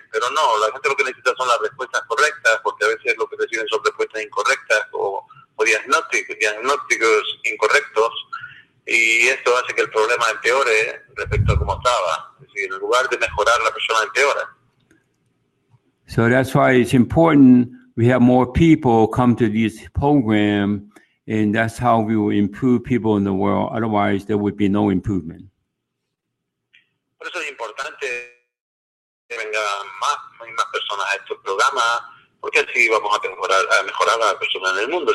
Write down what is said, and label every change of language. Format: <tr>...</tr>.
<es>Pero no, la gente lo que necesita son las respuestas correctas, porque a veces lo que reciben son respuestas incorrectas o diagnósticos incorrectos. Y esto hace que el problema empeore respecto a cómo estaba. Es decir, en lugar de mejorar, la persona empeora.</es> <en>So that's why it's important we have more people come to this program. And that's how we will improve people in the world. Otherwise, there would be no improvement.</en> <es>Por eso es importante que vengan más personas a estos programas, porque así vamos a mejorar a las personas en el mundo.</es>